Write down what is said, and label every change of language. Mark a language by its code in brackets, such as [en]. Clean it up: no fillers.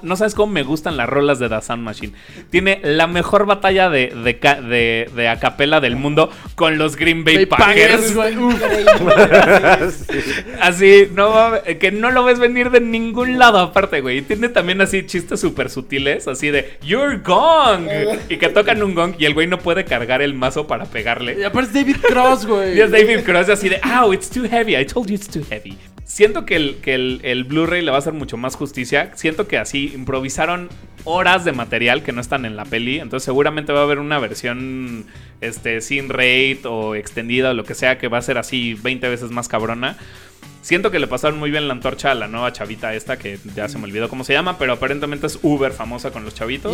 [es] No sabes cómo me gustan las rolas de The Sound Machine. Tiene la mejor batalla de a capela del mundo con los Green Bay Packers. Así, no, que no lo ves venir de ningún lado aparte, güey. Tiene también así chistes súper sutiles, así de You're gong. Y que tocan un gong y el güey no puede cargar el mazo para para pegarle. Y aparte es David Cross, güey. Y es David Cross así de, [en] oh, it's too heavy, I told you it's too heavy. [es] Siento que el Blu-ray le va a hacer mucho más justicia. Siento que así improvisaron horas de material que no están en la peli. Entonces seguramente va a haber una versión sin rate o extendida o lo que sea, que va a ser así 20 veces más cabrona. Siento que le pasaron muy bien la antorcha a la nueva chavita esta, que ya se me olvidó cómo se llama, pero aparentemente es uber famosa con los chavitos.